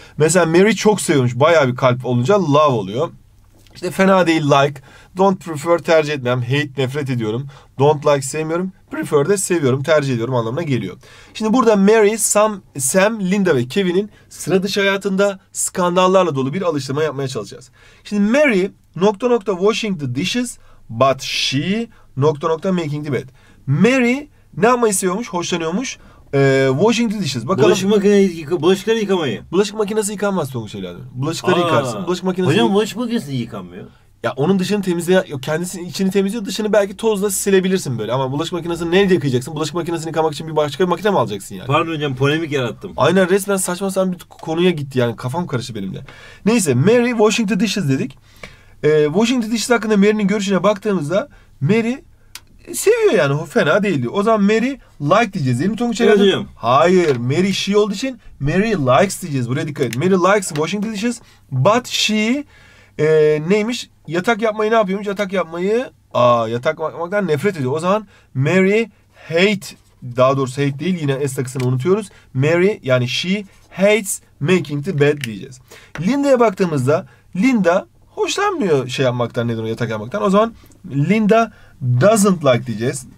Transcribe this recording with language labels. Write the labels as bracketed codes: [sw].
[tr] Mesela Mary çok seviyormuş, bayağı bir kalp olunca love oluyor. İşte fena değil like, [en] don't prefer [tr] tercih etmem, hate nefret ediyorum, [en] don't like [tr] sevmiyorum, prefer de seviyorum, tercih ediyorum anlamına geliyor. Şimdi burada Mary, Sam, Linda ve Kevin'in sıra dışı hayatında skandallarla dolu bir alıştırma yapmaya çalışacağız. Şimdi [en] Mary nokta nokta washing the dishes but she nokta nokta making the bed. [tr] Mary ne yapmayı seviyormuş, hoşlanıyormuş? [en] Washing the dishes. [tr] Bakalım. Bulaşık makinesi yıkamayı. Bulaşık makinesi yıkanmaz Tonguç evladım. Bulaşıkları yıkarsın. Bulaşık makinesi. Hocam bulaşık makinesi yıkanmıyor. Ya onun dışını temizliyor. Kendisinin içini temizliyor. Dışını belki tozla silebilirsin böyle. Ama bulaşık makinesini nerede yıkayacaksın? Bulaşık makinesini yıkamak için bir başka bir makine mi alacaksın yani? Pardon hocam, polemik yarattım. Aynen, resmen saçma sapan bir konuya gitti yani. Kafam karıştı benim de. Neyse, [en] Mary washing the dishes [tr] dedik. Washing the dishes hakkında Mary'nin görüşüne baktığımızda Mary seviyor yani, o fena değil diyor. O zaman Mary like diyeceğiz değil mi Tonguç evladım? Hayır. Mary she olduğu için Mary likes diyeceğiz. Buraya dikkat edin. [en] Mary likes washing the dishes but she [tr] neymiş? Yatak yapmayı ne yapıyormuş? Yatak yapmayı yatak yapmaktan nefret ediyor. O zaman Mary hate, daha doğrusu hate değil, yine S takısını unutuyoruz. [en] Mary [tr] yani [en] she hates making the bed [tr] diyeceğiz. Linda'ya baktığımızda Linda hoşlanmıyor şey yapmaktan, nedir o, yatak yapmaktan. O zaman Linda [en] doesn't like [tr] diyeceğiz.